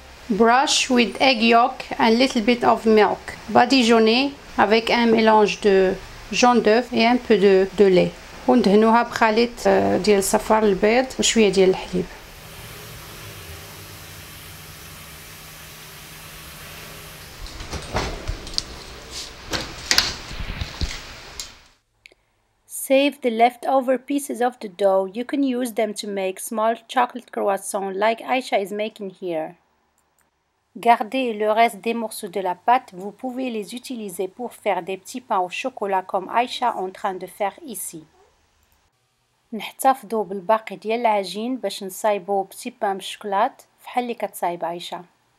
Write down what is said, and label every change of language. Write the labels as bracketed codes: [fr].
[en] Brush with egg yolk and little bit of milk. [fr] Badigeonner avec un mélange de jaune d'œuf et un peu de lait. [ar] وندهنوها بخليط ديال الصفار البيض وشويه ديال الحليب. [en] Save the leftover pieces of the dough. You can use them to make small chocolate croissants like Aisha is making here. [fr] Gardez le reste des morceaux de la pâte, vous pouvez les utiliser pour faire des petits pains au chocolat comme Aisha est en train de faire ici. [ar] نحتفظوا بالباقي ديال العجين باش نصايبوه بتيبان بالشوكولات فحال اللي كتصايب عايشه.